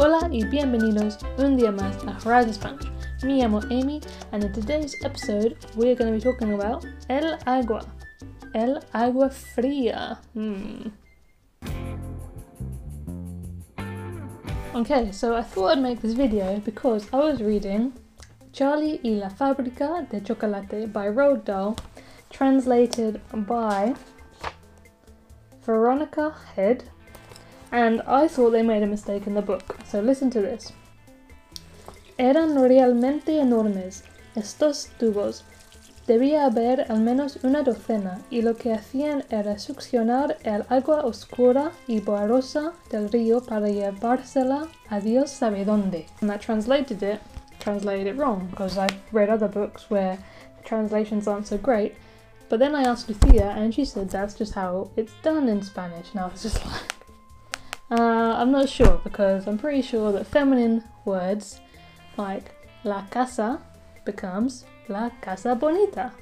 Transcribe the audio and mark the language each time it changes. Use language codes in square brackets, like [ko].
[es] y bienvenidos un día más a Horizon Spanish. Me llamo Amy, [en] and in today's episode, we are going to be talking about el agua. [es] El agua fría. [en] Okay, so I thought I'd make this video because I was reading Charlie y la fábrica de chocolate by Roald Dahl, translated by Veronica Head. And I thought they made a mistake in the book. So listen to this. [es] Eran realmente enormes, estos tubos. Debía haber al menos una docena, y lo que hacían era succionar el agua oscura y borrosa del río para llevársela a Dios sabe dónde. [en] And that translated it wrong, because I've read other books where the translations aren't so great. But then I asked Lucia, and she said that's just how it's done in Spanish. And I was just like, I'm not sure, because I'm pretty sure that feminine words like la casa becomes la casa bonita.